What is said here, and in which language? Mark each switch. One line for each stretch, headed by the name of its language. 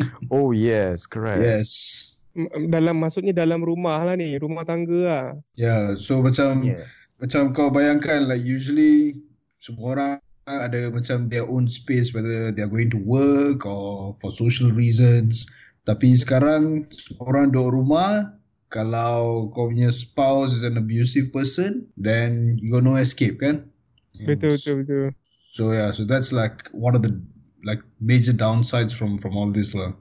English: Oh yes, correct. Yes.
Malay: Dalam maksudnya dalam rumah lah ni, rumah tangga lah.
English: Yeah,
Malay: so macam macam kau bayangkan,
English: like usually
Malay: semua orang ada macam
English: their own space, whether they are going to work or for social reasons.
Malay: Tapi sekarang semua orang duduk rumah. Kalau kau punya
English: spouse is an abusive person, then you got no escape, kan?
Malay: Betul, betul, betul.
English: So yeah, so that's like one of the like major downsides from all this lah.